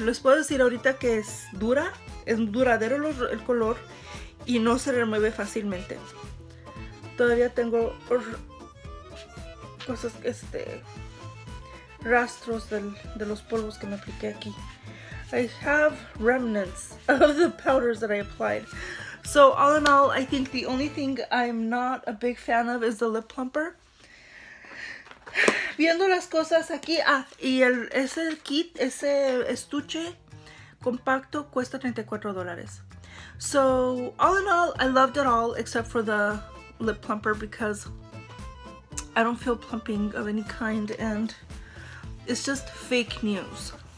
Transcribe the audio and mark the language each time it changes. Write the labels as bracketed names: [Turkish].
[Spanish] Les puedo decir ahorita que es duradero el color y no se remueve fácilmente. Todavía tengo cosas, rastros de los polvos que me apliqué aquí. [English] I have remnants of the powders that I applied. So all in all, I think the only thing I'm not a big fan of is the lip plumper. [Spanish] Viendo las cosas aquí, y ese kit, ese estuche compacto cuesta $34. [English] So all in all, I loved it all except for the lip plumper because I don't feel plumping of any kind and it's just fake news.